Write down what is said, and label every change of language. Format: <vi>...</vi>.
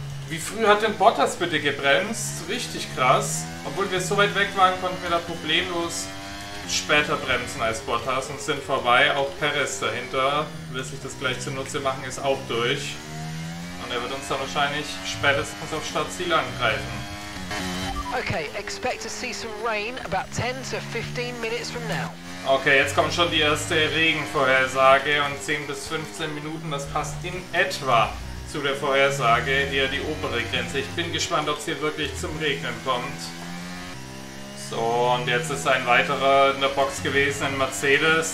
<de>Wie früh hat denn Bottas bitte gebremst? Richtig krass. Obwohl wir so weit weg waren, konnten wir da problemlos später bremsen als Bottas und sind vorbei. Auch Perez dahinter will sich das gleich zunutze machen, ist auch durch. Und er wird uns dann wahrscheinlich spätestens auf Startziel angreifen.</de> <en>Okay, expect to see some rain about 10 to 15 minutes from now.</en> <de>Okay, jetzt kommt schon die erste Regenvorhersage und 10 bis 15 Minuten, das passt in etwa zu der Vorhersage, eher die obere Grenze. Ich bin gespannt, ob es hier wirklich zum Regnen kommt. So, und jetzt ist ein weiterer in der Box gewesen, ein Mercedes.</de>